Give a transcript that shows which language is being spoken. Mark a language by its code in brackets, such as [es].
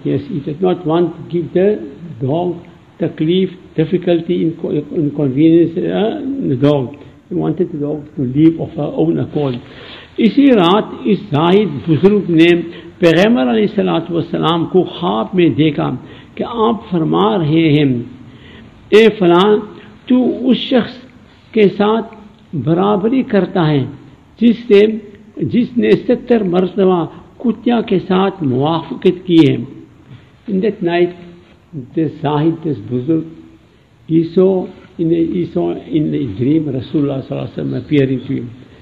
[en] Yes, he does not want to give the dog takleef, difficulty, inconvenience, the dog. He wanted the dog to leave of her own accord. [ur] اسی رات اس زاہد بزرگ نے پیغمبر علیہ الصلوۃ والسلام کو خواب میں دیکھا کہ آپ فرما رہے ہیں اے فلاں, تو اس شخص کے ساتھ برابری کرتا ہے جس نے 70 مرتبہ کتیا کے ساتھ موافقت کی ہے. [en] In that night, this Zahid, this Buzurg, he saw in a dream Rasulullah sallallahu alaihi wasallam appearing to him.